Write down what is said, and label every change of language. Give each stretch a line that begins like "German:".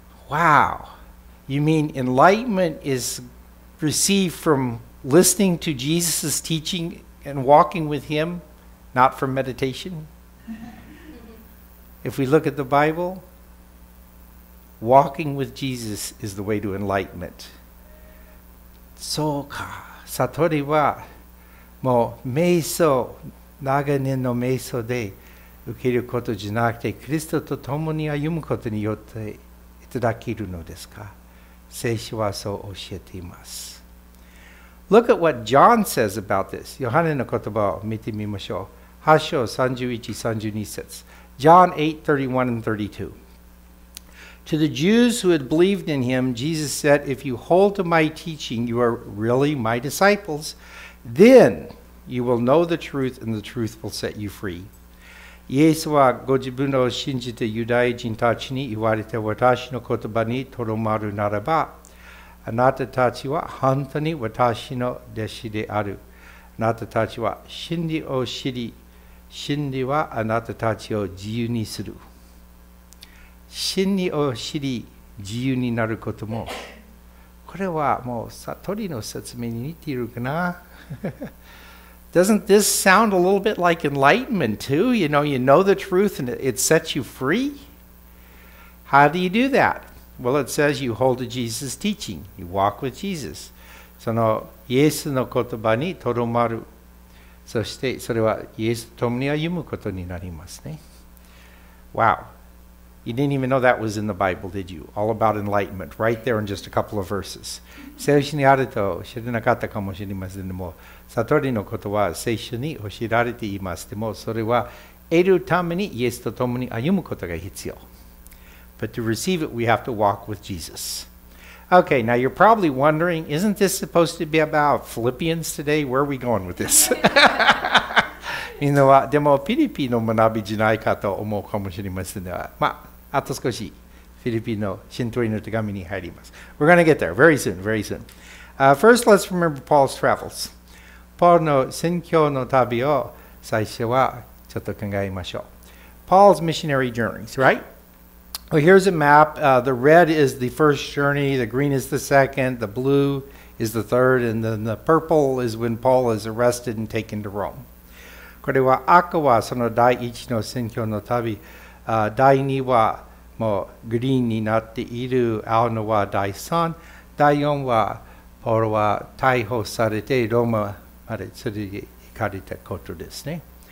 English: Wow, you mean enlightenment is received from listening to Jesus' teaching and walking with him? Not from meditation. If we look at the Bible, walking with Jesus is the way to enlightenment.
Japanese: そうか。悟りはもう瞑想、長年の瞑想で受けることじゃなくて、キリストと共に歩むことによっていただけるのですか。聖書はそう教えています。
English: Look at what John says about this.
Japanese: ヨハネの言葉を見てみましょう。
English: John 8:31-32. To the Jews who had believed in him, Jesus said, If you hold to my teaching, you are really my disciples. Then you will know the truth, and the truth will set you free.
Japanese: イエスはご自分を信じてユダヤ人たちに言われて私の言葉にとどまるならば、あなたたちは本当に私の弟子である。あなたたちは真理を知り、真理はあなたたちを自由にする。真理を知り、自由になることも、これはもう悟りの説明に似ているかな。
English: Doesn't this sound a little bit like enlightenment too? You know the truth and it sets you free? How do you do that? Well, it says you hold to Jesus' teaching. You walk with Jesus.
Japanese: そのイエスの言葉にとどまる。そしてそれはイエスと共に歩むことになりますね。
English: Wow. You didn't even know that was in the Bible, did you? All about enlightenment, right there in just a couple of verses.
Japanese: 聖書にあると知らなかったかもしれませんでも、悟りのことは聖書に教えられています。でも、それは得るためにイエスと共に歩むことが必要。
English: But to receive it, we have to walk with Jesus. Okay, now you're probably wondering, isn't this supposed to be about Philippians today? Where are we going with this?
Japanese: みんなは、でもフィリピの学びじゃないかと思うかもしれませんが、まあ、あと少しフィリピの信徒への手紙に入ります。
English: We're going to get there very soon, very soon. First, let's remember Paul's travels.
Japanese: Paul の宣教の旅を最初はちょっと考えましょう。
English: Paul's missionary journeys, right? Well, here's a map. The red is the first journey, the green is the second, the blue is the third, and then the purple is when Paul is arrested and taken to Rome.
Japanese: これは赤はその第一の宣教の旅、第二はもうグリーンになっている、青のは第三、第四はポールは逮捕されてローマまで連れて行かれたことですね。